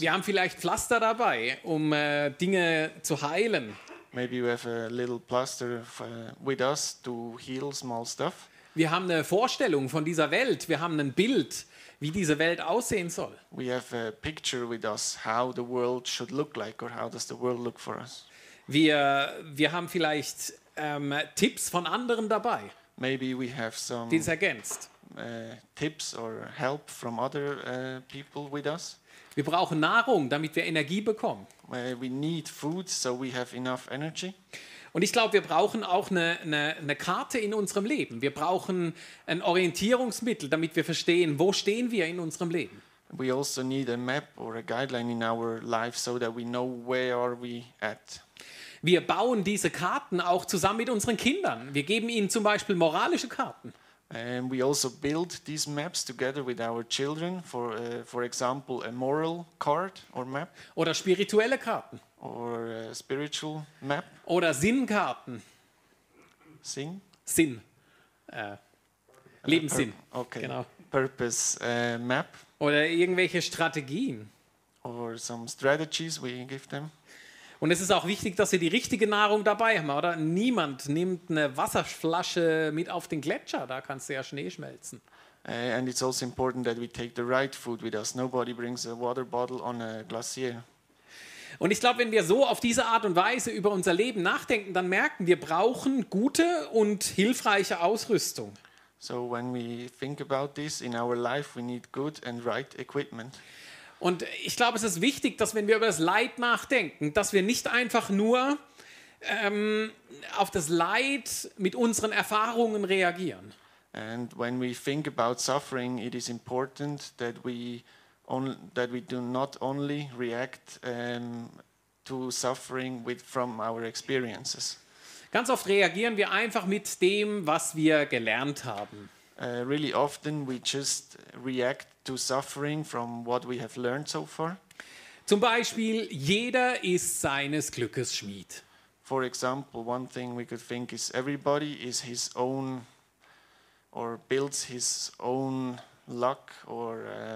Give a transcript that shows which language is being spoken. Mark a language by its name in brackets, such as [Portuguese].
[German] Wir haben vielleicht Pflaster dabei, um Dinge zu heilen. [English] Maybe you have a little plaster with us to heal small stuff. [German] Wir haben eine Vorstellung von dieser Welt. Wir haben ein Bild, wie diese Welt aussehen soll. [English] We have a picture with us how the world should look like or how does the world look for us. [German] Wir haben vielleicht Tipps von anderen dabei. [English] Maybe we have some. [German] Die es ergänzt. [English] Tips or help from other people with us. [German] Wir brauchen Nahrung, damit wir Energie bekommen. [English] We need food, so we have enough energy. [German] Und ich glaube, wir brauchen auch eine Karte in unserem Leben. Wir brauchen ein Orientierungsmittel, damit wir verstehen, wo stehen wir in unserem Leben. [English] We also need a map or a guideline in our life, so that we know where are we at. [German] Wir bauen diese Karten auch zusammen mit unseren Kindern. Wir geben ihnen zum Beispiel moralische Karten. [English] And we also build these maps together with our children, for example, a moral card or map. [German] Oder spirituelle Karten. [English] Or a spiritual map. [German] Oder Sinnkarten. Sinn? Sinn. Lebenssinn. [English] Okay. [German] Genau. [English] Purpose map. [German] Oder irgendwelche Strategien. [English] Or some strategies we give them. [German] Und es ist auch wichtig, dass wir die richtige Nahrung dabei haben, oder? Niemand nimmt eine Wasserflasche mit auf den Gletscher, da kannst du ja Schnee schmelzen. [English] And it's also important that we take the right food with us. Nobody brings a water bottle on a glacier. [German] Und ich glaube, wenn wir so auf diese Art und Weise über unser Leben nachdenken, dann merken wir, brauchen gute und hilfreiche Ausrüstung. [English] So when we think about this in our life, we need good and right equipment. [German] Und ich glaube, es ist wichtig, dass wenn wir über das Leid nachdenken, dass wir nicht einfach nur auf das Leid mit unseren Erfahrungen reagieren. [English] And when we think about suffering, it is important that we do not only react to suffering from our experiences. [German] Ganz oft reagieren wir einfach mit dem, was wir gelernt haben. [English] Really often we just react to suffering from what we have learned so far. [German] Zum Beispiel, jeder ist seines Glückes Schmied. [English] For example, one thing we could think is everybody is his own or builds his own luck or